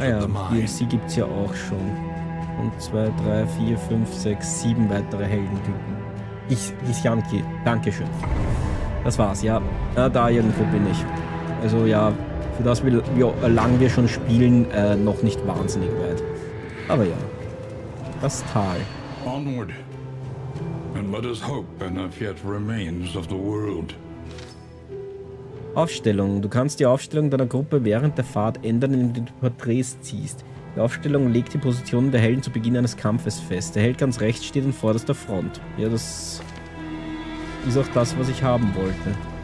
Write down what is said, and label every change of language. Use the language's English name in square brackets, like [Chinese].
[English] of the mine. [German] DLC gibt's ja auch schon. Und 2, 3, 4, 5, 6, 7 weitere Heldentypen. Ich hieß Yankee. Dankeschön. Das war's, ja. Da irgendwo bin ich. Also ja, für das, wie lang wir schon spielen, noch nicht wahnsinnig weit. Aber ja. Das Tal. [English] Onward. And let us hope enough yet remains of the world. [German] Aufstellung. Du kannst die Aufstellung deiner Gruppe während der Fahrt ändern, indem du die Porträts ziehst. Die Aufstellung legt die Positionen der Helden zu Beginn eines Kampfes fest. Der Held ganz rechts steht an vorderster Front. Ja, das ist auch das, was ich haben wollte.